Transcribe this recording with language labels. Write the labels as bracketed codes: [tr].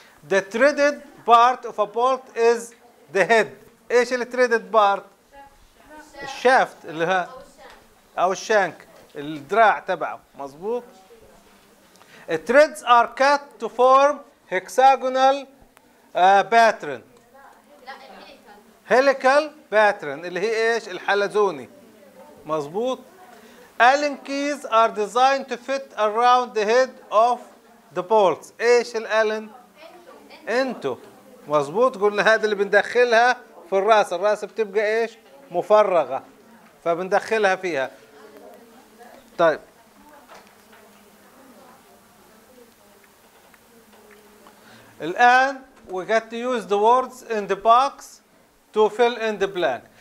[en] The threaded part of a bolt is the head. [ar] ايش الثريدد بارت؟ الشافت اللي ها او الشانك، الدراع تبعه، مظبوط. [en] Threads are cut to form hexagonal pattern. [ar] هيليكال باترن اللي هي ايش؟ الحلزوني، مظبوط. [en] Allen keys are designed to fit around the head of the bolts. [ar] ايش الالن؟ انتو، مظبوط. قلنا هذا اللي بندخلها في الراس، الراس بتبقى ايش؟ مفرغه، فبندخلها فيها. طيب الان [en] we got to use the words in the box to fill in the blank.